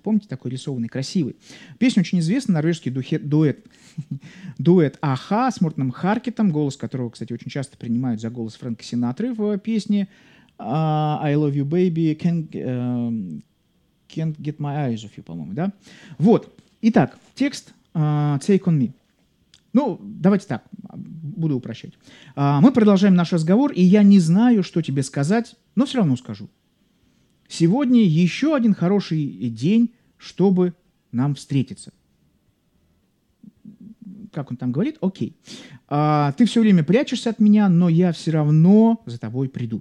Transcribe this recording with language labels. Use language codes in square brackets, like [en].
[ru] Помните, такой рисованный, красивый. Песня очень известна, норвежский дуэт АХА с Мортоном Харкетом, голос которого, кстати, очень часто принимают за голос Фрэнка Синатры в песне [en] «I love you, baby, can't get my eyes off you», [ru] по-моему, да? Вот. Итак, текст «Take on me». Ну, давайте так, буду упрощать. Мы продолжаем наш разговор, и я не знаю, что тебе сказать, но все равно скажу. Сегодня еще один хороший день, чтобы нам встретиться. Как он там говорит? Окей. Ты все время прячешься от меня, но я все равно за тобой приду.